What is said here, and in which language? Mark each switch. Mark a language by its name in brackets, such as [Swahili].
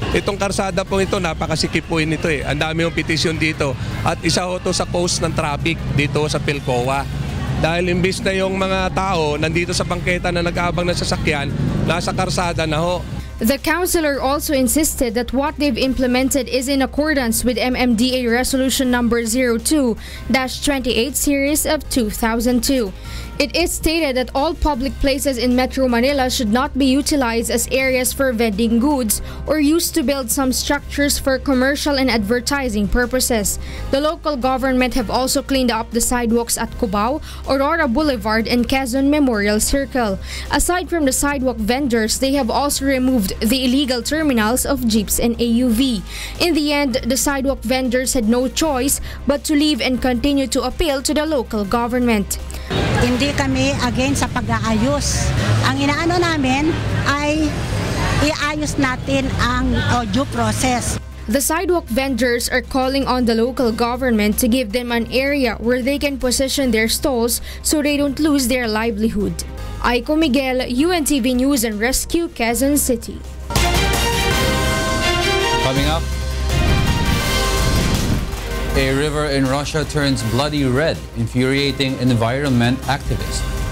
[Filipino] Itong karsada po ito, napakasikip po yun ito eh. Ang dami yung petisyon dito. At isa ho ito sa cause ng traffic dito sa Pilcoa. Dahil imbis na yung mga tao nandito sa bangketa na nag-aabang ng sasakyan, nasa karsada na ho. [English] The councilor also insisted that what they've implemented is in accordance with MMDA Resolution Number 02-28 Series of 2002. It is stated that all public places in Metro Manila should not be utilized as areas for vending goods or used to build some structures for commercial and advertising purposes. The local government have also cleaned up the sidewalks at Cubao, Aurora Boulevard, and Quezon Memorial Circle. Aside from the sidewalk vendors, they have also removed the illegal terminals of jeeps and AUV. In the end, the sidewalk vendors had no choice but to leave and continue to appeal to the local government. [Filipino] Hindi kami again sa pag-aayos. Ang inaano namin ay iayos natin ang due process. [English] The sidewalk vendors are calling on the local government to give them an area where they can position their stalls so they don't lose their livelihood. Aiko Miguel, UNTV News and Rescue, Quezon City. Coming up, a river in Russia turns bloody red, infuriating environment activists.